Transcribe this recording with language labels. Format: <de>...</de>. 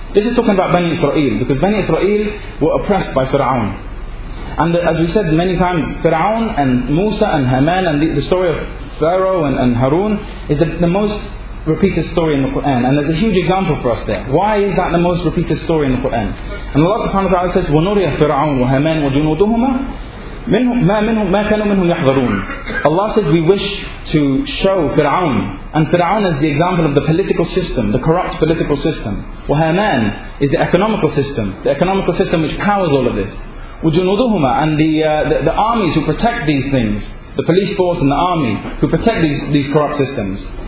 <en>This is talking about Bani Israel, because Bani Israel were oppressed by Fir'aun. And as we said many times, Fir'aun and Musa and Haman, and the story of Pharaoh and Harun is the most repeated story in the Quran. And there's a huge example for us there. Why is that the most repeated story in the Quran? And Allah subhanahu wa ta'ala says,</en> <ar>وَنُرِيَ فِرْعَوْنُ وَهَمَانُ وَجُنُودُهُمَا مَا كَانُوا مِنْهُمْ يَحْذَرُونَ.</ar> <en>Allah says, we wish to show Fir'aun. And Fir'aun is the example of the political system, the corrupt political system. وَهَمَانُ is the economical system which powers all of this. وَجُنُودُهُمَا and the armies who protect these things, the police force and the army who protect these corrupt systems.</en>